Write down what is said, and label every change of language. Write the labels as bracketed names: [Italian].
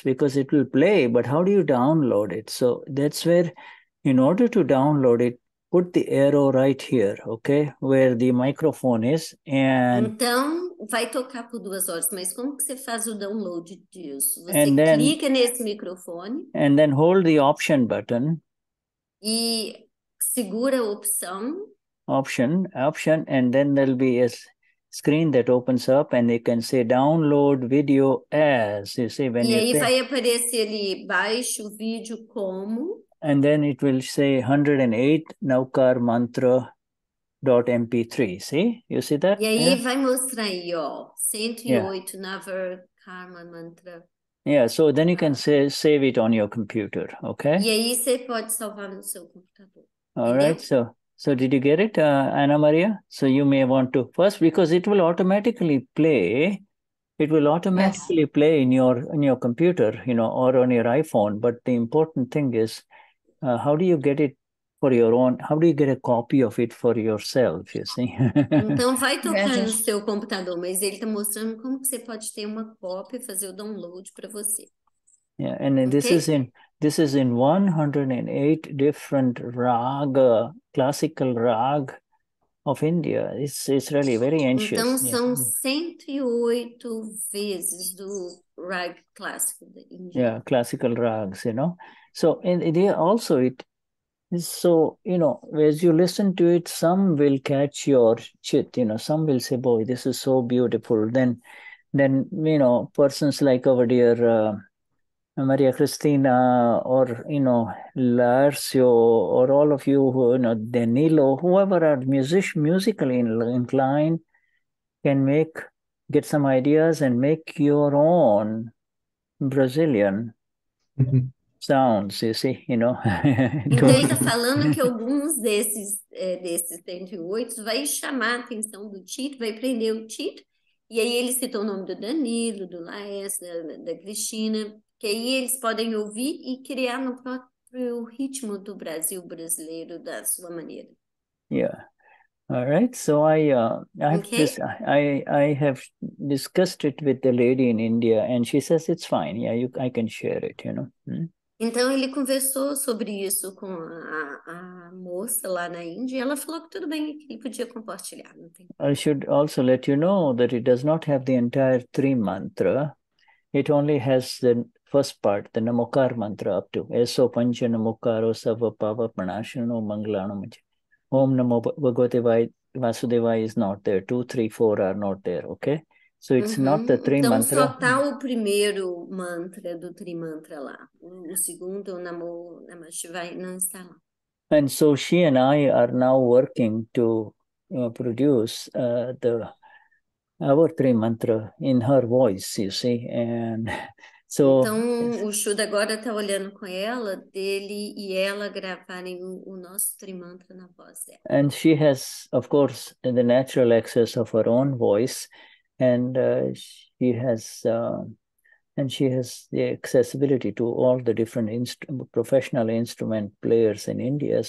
[English] Because it will play, but how do you download it? So that's where, in order to download it, put the arrow right here, okay, where the microphone is. And [Portuguese] então, vai tocar por 2 horas, mas como que você faz o download disso? Você [English] and then, [Portuguese] clica nesse microfone. [English] And then hold the option button. [Portuguese] E segura a opção. [English] Option, and then there'll be a screen that opens up, and you can say download video as, you see, when [Portuguese] e [English] you [Portuguese] aí vai aparecer ali, baixe o vídeo como. [English] And then it will say 108 Navkar Mantra dot mp3, see? You see that? [Portuguese] E aí vai mostrar aí, ó, 108 Navkar Karma Mantra. [English] Yeah, so then you can say, save it on your computer, okay? [Portuguese] E aí você pode salvar no seu computador. [English] All right, so... So did you get it, Ana Maria? So you may want to first, because it will automatically play. It will automatically play in your computer, you know, or on your iPhone. But the important thing is, how do you get it for your own? How do you get a copy of it for yourself, you see? [Portuguese] Então vai tocar no seu computador, mas ele está mostrando como que você pode ter uma cópia, fazer o download para você. [English] Yeah, and this is in... This is in 108 different raga, classical rag of India. It's really very ancient. [Portuguese] Então, são 108 vezes do rag clássico da Índia. [English] Yeah, classical rags, you know. So, and they also, it is so, you know, as you listen to it, some will catch your chit, you know, some will say, boy, this is so beautiful. Then you know, persons like our dear... Maria Cristina, or, you know, Larcio, or all of you who, you know, Danilo, whoever are musically inclined, can make, get some ideas and make your own Brazilian sounds, you see, you know. [Portuguese] Então, ele está falando que alguns desses 108 vai chamar a atenção do Tito, vai prender o Tito, e aí ele cita o nome do Danilo, do Laes, da Cristina. Que aí eles podem ouvir e criar no próprio ritmo do Brasil brasileiro da sua maneira. [English] Yeah. All right, so I have discussed it with the lady in India, and she says it's fine. Yeah, I can share it, you know. [Portuguese] Então ele conversou sobre isso com a moça lá na Índia, e ela falou que tudo bem, que ele podia compartilhar. Não tem. [English] I should also let you know that it does not have the entire Trimantra. It only has the first part, the Namokar mantra up to Eso Pancha Namokaro Sava Pava Pranashano Mangalanam. Om Namo Bhagavate Vasudevaya is not there. 2, 3, 4 are not there, okay? So it's not the three [Portuguese] então, [English] mantra. [Portuguese] Então só tá o primeiro mantra do Trimantra lá. O segundo, o Namo Namashivaya, não está lá. [English] And so she and I are now working to produce our three mantra in her voice, you see. And so, [Portuguese] então o Shuddha agora está olhando com ela, dele e ela gravarem o nosso Trimantra na voz dela. [English] And she has, of course, the natural access of her own voice. And she has the accessibility to all the different professional instrument players in India.